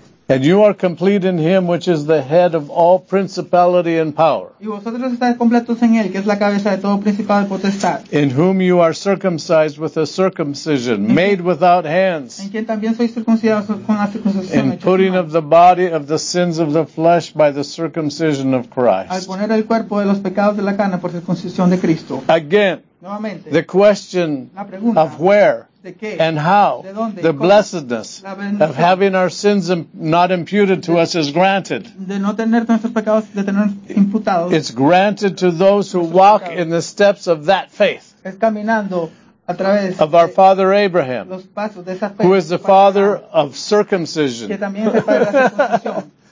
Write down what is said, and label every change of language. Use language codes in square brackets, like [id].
[en] And you are complete in him which is the head of all principality and power. [es] Y vosotros estáis completos en él, que es la cabeza de todo principado y potestad. [en] In whom you are circumcised with a circumcision, made without hands. [es] En quien también sois circuncidados con la circuncisión. [en] In putting of the body of the sins of the flesh by the circumcision of Christ. [es] Al poner el cuerpo de los pecados de la carne por circuncisión de Cristo. [en] Again, [es] nuevamente, [en] the question [es] la pregunta, [en] of where. And how [es] ¿De [en] the blessedness of having our sins not imputed to us is granted. [es] De no tener nuestros pecados, de tener imputados. [en] It's granted to those who walk pecados. In the steps of that faith. [es] Es caminando a través [en] of our father Abraham, [es] los pasos de esa fe, [en] who is the father of circumcision. [es] Que también es el padre de la circuncisión.